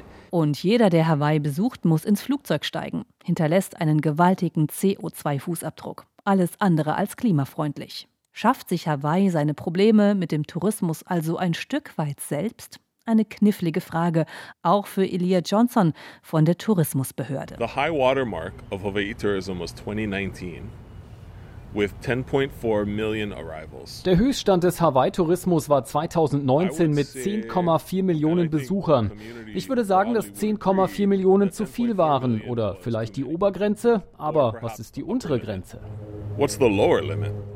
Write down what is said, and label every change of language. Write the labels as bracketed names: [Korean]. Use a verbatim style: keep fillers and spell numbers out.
[German] Und jeder, der Hawaii besucht, muss ins Flugzeug steigen, hinterlässt einen gewaltigen C O zwei Fußabdruck. Alles andere als klimafreundlich. Schafft sich Hawaii seine Probleme mit dem Tourismus also ein Stück weit selbst? Eine knifflige Frage, auch für Elia Johnson von der Tourismusbehörde. [English] The high water mark of Hawaii tourism was twenty nineteen. With ten point four million arrivals. [German] Der Höchststand des Hawaii-Tourismus war zweitausendneunzehn mit zehn Komma vier Millionen Besuchern. Ich würde sagen, dass zehn Komma vier Millionen zu viel waren oder vielleicht die Obergrenze, aber was ist die untere Grenze? [English] What's the lower limit?